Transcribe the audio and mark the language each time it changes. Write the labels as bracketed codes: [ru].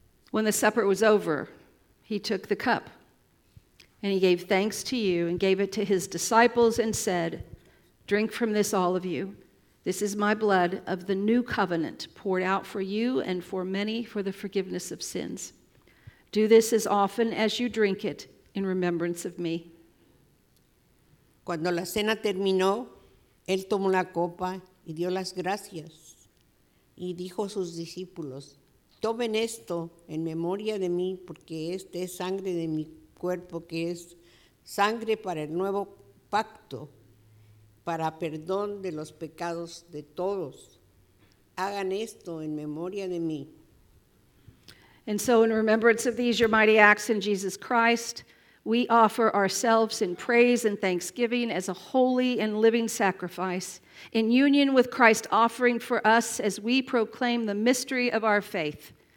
[en] When the supper was over, he took the cup and he gave thanks to you and gave it to his disciples and said, "Drink from this, all of you. This is my blood of the new covenant poured out for you and for many for the forgiveness of sins. Do this as often as you drink it in remembrance of me." [es] Cuando la cena terminó, él tomó la copa y dio las gracias y dijo a sus discípulos, "Tomen esto en memoria de mí, porque esta es sangre de mi cuerpo, que es sangre para el nuevo pacto, para perdón de los pecados de todos. Hagan esto en memoria de mí." [en] And so, in remembrance of these, your mighty acts in Jesus Christ, we offer ourselves in praise and thanksgiving as a holy and living sacrifice, in union with Christ offering for us as we proclaim the mystery of our faith.